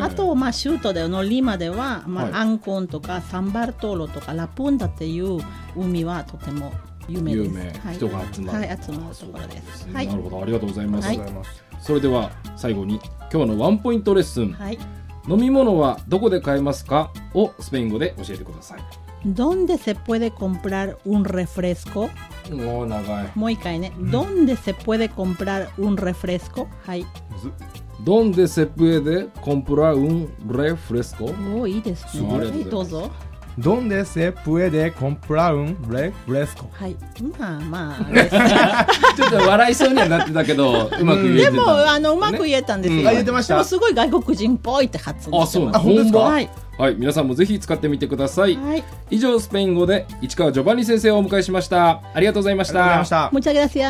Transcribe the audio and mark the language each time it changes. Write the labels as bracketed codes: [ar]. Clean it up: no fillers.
[ja] あと、まあ、州都でのリマでは、まあ、はい、アンコンとかサンバルトロとかラプンダっていう海はとても有名です。有名、はい、人が集まる、はい、集まるところです、ね、はい。なるほど、ありがとうございます。はい、それでは最後に今日のワンポイントレッスン、はい、飲み物はどこで買えますかをスペイン語で教えてください。 [es] ¿Dónde se puede comprar un refresco? [ja] Oh, 長い。もう一回ね。 [es] ¿Dónde se puede comprar un refresco? [ja] はい。 [es] ¿Dónde se puede comprar un refresco? [ja] おー、いいですね。はい、どうぞ。 [es] ¿Dónde se puede comprar un refresco? [ja] はい。まあまあ。ちょっと笑いそうにはなってたけど、うまく言えてた。でも、うまく言えたんですよ。ね、あ、言ってました。すごい外国人っぽいって発音してます。あ、そうなんですか。あ、本当ですか？はい。はい、皆さんもぜひ使ってみてください、はい。以上、スペイン語で市川ジョバンニ先生をお迎えしました。ありがとうございました。ありがとうございました。